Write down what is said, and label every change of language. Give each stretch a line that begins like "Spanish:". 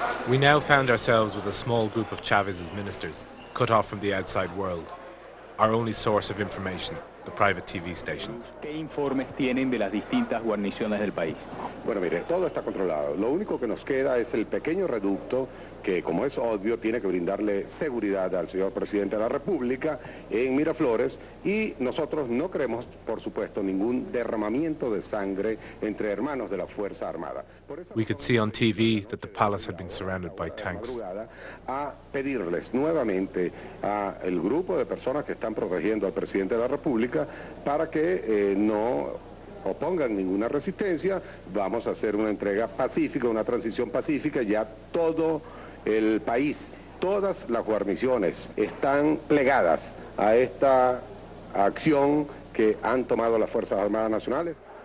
English: We now found ourselves with a small group of Chavez's ministers, cut off from the outside world. Our only source of information, the private TV stations.
Spanish: ¿Qué informes tienen de las distintas guarniciones del país? Bueno, mire, todo está controlado. Lo único que nos queda es el pequeño reducto que, como es obvio, tiene que brindarle seguridad al señor presidente de la República en Miraflores. Y nosotros no queremos, por supuesto, ningún derramamiento de sangre entre hermanos de la Fuerza Armada.
English: We could see on TV that the palace had been surrounded by tanks.
Spanish: A pedirles nuevamente a el grupo de personas que están protegiendo al presidente de la República para que no opongan ninguna resistencia. Vamos a hacer una entrega pacífica, una transición pacífica, ya todo el país, todas las guarniciones están plegadas a esta acción que han tomado las Fuerzas Armadas Nacionales.